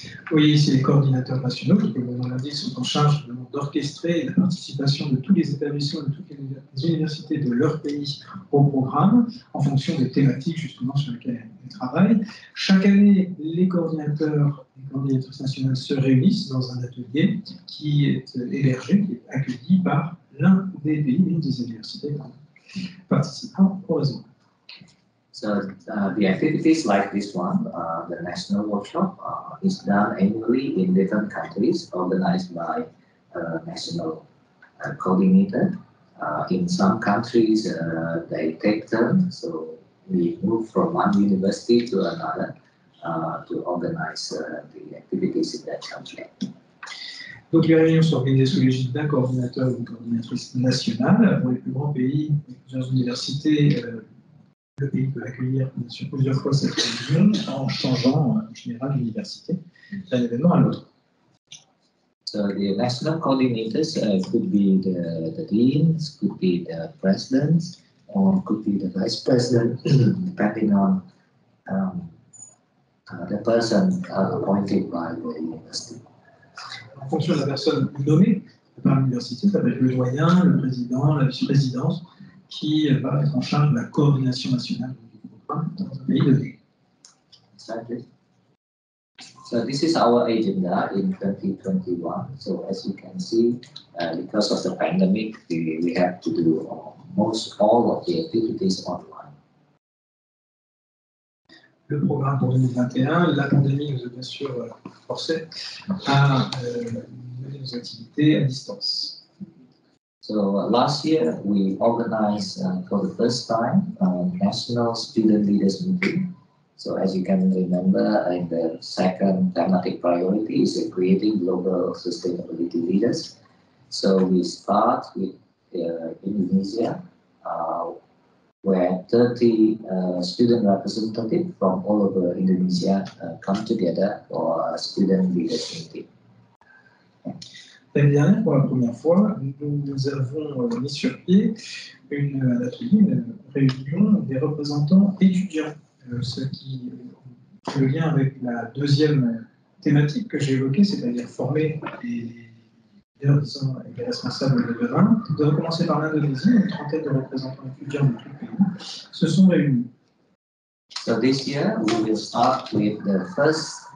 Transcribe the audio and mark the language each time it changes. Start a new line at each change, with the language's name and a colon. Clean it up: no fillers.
French: Oui, ici les coordinateurs nationaux, comme on l'a dit, sont en charge d'orchestrer la participation de tous les établissements, de toutes les universités de leur pays au programme, en fonction des thématiques justement sur lesquelles ils travaillent. Chaque année, les coordinateurs nationaux se réunissent dans un atelier qui est hébergé, qui est accueilli par l'un des pays, l'une des universités participant au réseau.
English: So the activities like this one, the national workshop, is done annually in different countries organized by national coordinator. In some countries, they take turns, so we move from one university to another to organize the activities in that country.
French: Donc les réunions sont organisées sous l'égide d'un coordinateur ou coordinatrice nationale pour les plus grands pays, plusieurs universités. Le pays peut accueillir sur plusieurs fois cette réunion en changeant en général l'université d'un événement à l'autre.
English: So the national coordinators could be the deans, could be the presidents, or could be the vice president, depending on the person appointed by the university.
French: En fonction de la personne nommée par l'université, ça peut être le doyen, le président, la vice-présidence, qui va être en charge de la coordination nationale du programme dans un pays donné.
English: Exactly. So this is our agenda in 2021. So as you can see, because of the pandemic, we have to do most all of the activities online.
French: Le programme pour 2021, la pandémie nous a bien sûr forcé à mener nos activités à distance.
English: So last year, we organized for the first time a national student leaders meeting. So as you can remember, in the second thematic priority is creating global sustainability leaders. So we start with Indonesia, where 30 student representatives from all over Indonesia come together for a student leaders meeting.
French: L'année dernière, pour la première fois, nous avons mis sur pied une réunion des représentants étudiants, ce qui a un lien avec la deuxième thématique que j'ai évoquée, c'est-à-dire former les responsables de demain. De commencer par l'Indonésie, une trentaine de représentants étudiants de tout le pays se sont réunis.
English: So this year, we will start with the first